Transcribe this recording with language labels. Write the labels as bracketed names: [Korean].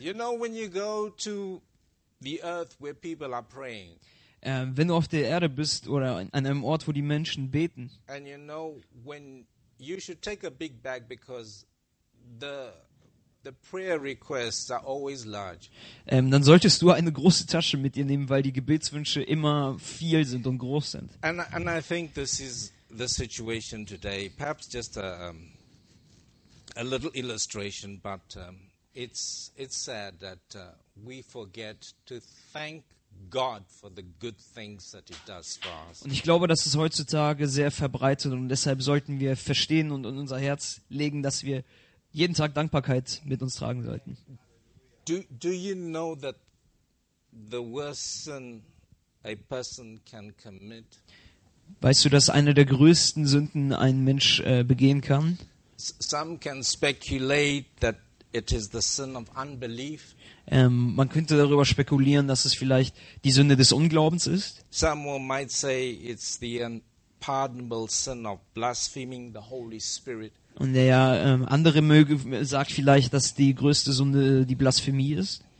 [English] You know, when you go to the earth where people are praying. [German] Wenn du auf der Erde bist oder an einem Ort, wo die Menschen beten. [English] And you know, when you should take a big bag because the prayer requests are always large. [German] Dann solltest du eine große Tasche mit dir nehmen, weil die Gebetswünsche immer viel sind und groß sind. [English] And I think this is the situation today. Perhaps just a little illustration, but it's sad that we forget to thank God for the good things that He does for us. [German] Und ich glaube, das ist heutzutage sehr verbreitet, und deshalb sollten wir verstehen und in unser Herz legen, dass wir jeden Tag Dankbarkeit mit uns tragen sollten. [English] Do you know that the worst sin a person can commit? [German] Weißt du, dass eine der größten Sünden ein Mensch begehen kann? [English] Some can speculate that it is the sin of unbelief. [German] Man könnte darüber spekulieren, dass es vielleicht die Sünde des Unglaubens ist. [English] Someone might say it's the unpardonable sin of blaspheming the Holy Spirit. [German] Und der andere sagt vielleicht, dass die größte Sünde die Blasphemie ist.